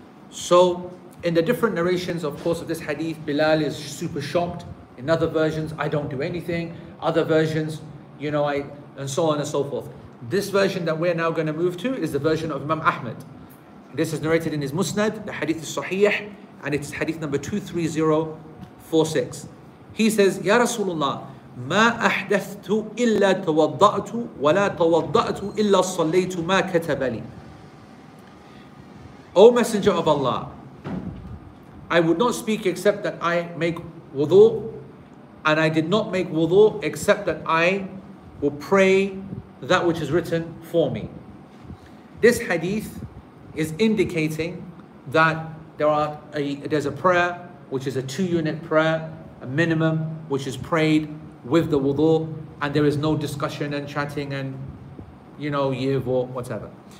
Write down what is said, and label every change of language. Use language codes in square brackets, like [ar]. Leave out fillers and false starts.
[en] So in the different narrations, of course, of this hadith, Bilal is super shocked. In other versions, I don't do anything. Other versions, you know, I, and so on and so forth. This version that we're now going to move to is the version of Imam Ahmad. This is narrated in his Musnad, the hadith is Sahih, and it's hadith number 23046. He says, [ar] Ya Rasulullah, ما أحدثت إلا توضأت ولا توضأت إلا صليت ما كتب لي. [en] O Messenger of Allah, I would not speak except that I make wudu, and I did not make wudu except that I will pray that which is written for me. This hadith is indicating that there's a prayer which is a two-unit prayer, a minimum, which is prayed with the wudu, and there is no discussion and chatting and, you know, yiv or whatever.